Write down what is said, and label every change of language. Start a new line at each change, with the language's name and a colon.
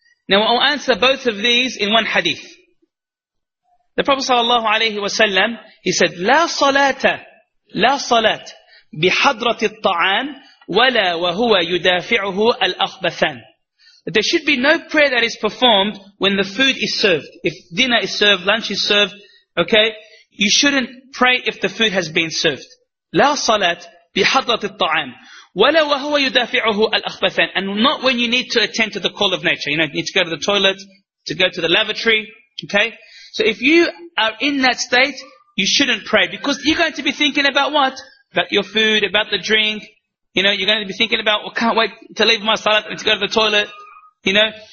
English: Now I'll answer both of these in one hadith. The Prophet sallallahu alayhi wa sallam, he said,
Arabic: لا صلاة بحضرة الطعام ولا وهو يدافعه الأخبثان.
English: There should be no prayer that is performed when the food is served. If dinner is served, lunch is served, okay, you shouldn't pray if the food has been served.
Arabic: لا صلاة بحضرة الطعام ولا وهو يدافعه الأخبثان.
English: And not when you need to attend to the call of nature. You know, you need to go to the toilet, to go to the lavatory, okay? So if you are in that state, you shouldn't pray, because you're going to be thinking about what? About your food, about the drink. You know, you're going to be thinking about, well, can't wait to leave my salat and to go to the toilet. You know?